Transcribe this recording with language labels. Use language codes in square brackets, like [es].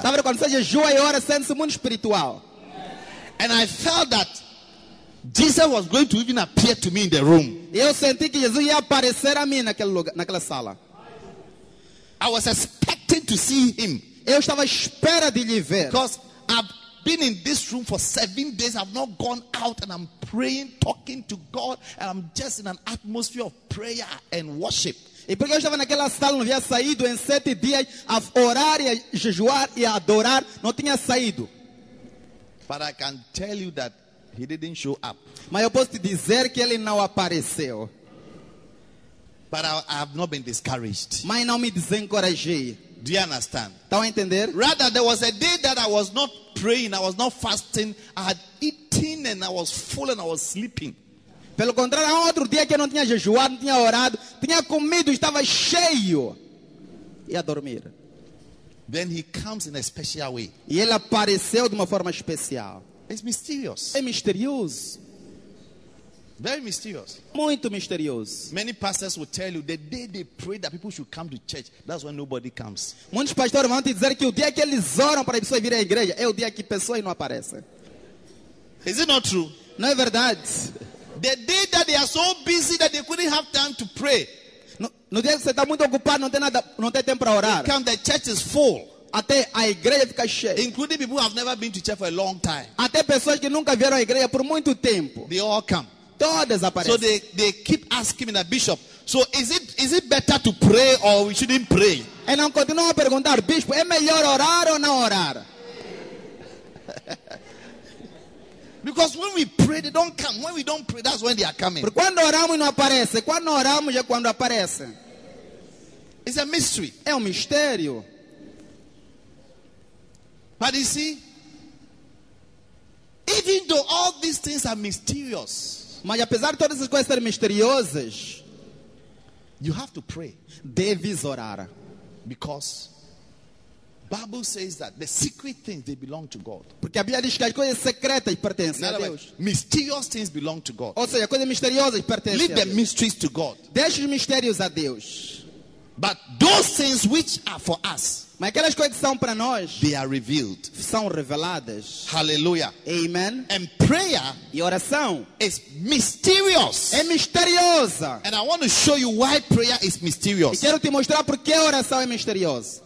[pt] Quando você jejua e ora, sente-se muito espiritual. [en] And I felt that Jesus was going to even appear to me in the room. [pt] Eu senti que Jesus ia aparecer a mim naquele lugar, naquela sala. [en] I was expecting to see him. [pt] Eu estava à espera de lhe ver. [en] Because I've been in this room for 7 days. I've not gone out and I'm praying, talking to God. And I'm just in an atmosphere of prayer and worship. [pt] E porque eu estava naquela sala, não havia saído em 7 dias a orar e a jejuar e a adorar. Não tinha saído. [en] But I can tell you that he didn't show up. [pt] Mas eu posso te dizer que ele não apareceu. [en] But I have not been discouraged. [pt] Mas não me desencorajei. [en] Do you understand? [pt] Estão a entender? [en] Rather, there was a day that I was not praying, I was not fasting, I had eaten and I was full and I was sleeping. [pt] Pelo contrário, há outro dia que eu não tinha jejuado, não tinha orado, tinha comido, estava cheio. Ia dormir. [en] Then he comes in a special way. [pt] E ele apareceu de uma forma especial. [en] It's mysterious. [pt] É misterioso. [en] Very mysterious. [pt] Muito misterioso. [en] Many pastors will tell you the day they pray that people should come to church, that's when nobody comes. [pt] Muitos pastores vão te dizer que o dia que eles oram para a pessoa vir à igreja é o dia que a pessoa não aparece. [en] Is it not true? [pt] Não é verdade. [en] The day that they are so busy that they couldn't have time to pray. [pt] No dia que você está muito ocupado, não tem nada, não tem tempo para orar. [en] Come, the church is full. [pt] Até a igreja fica cheia. [en] Including people who have never been to church for a long time. [pt] Até pessoas que nunca vieram à igreja por muito tempo. [en] They all come. [pt] Todas aparecem. [en] So they keep asking the bishop. So is it better to pray or we shouldn't pray? [pt] E não continuam a perguntar, bispo, é melhor orar ou não orar? [en] Because when we pray, they don't come. When we don't pray, that's when they are coming. [pt] Porque quando oramos não aparece. Quando oramos é quando aparece. [en] It's a mystery. [pt] É mistério. [en] But you see, even though all these things are mysterious, [pt] mas apesar de todas as coisas serem misteriosas, [en] you have to pray. [pt] Deves orar. [en] Because Bible says that the secret things they belong to God. [pt] Porque a Bíblia diz que as coisas secretas pertencem a Deus. [en] Mysterious things belong to God. [pt] Ou seja, coisas misteriosas pertencem. [en] Leave the mysteries to God. [pt] Deixe os mistérios a Deus. [en] But those things which are for us. [pt] Mas aquelas coisas que são para nós. [en] They are revealed. [pt] São reveladas. [en] Hallelujah. Amen. And prayer. [pt] E oração. [en] Is mysterious. [pt] É misteriosa. [en] And I want to show you why prayer is mysterious. [pt] E quero te mostrar por que a oração é misteriosa.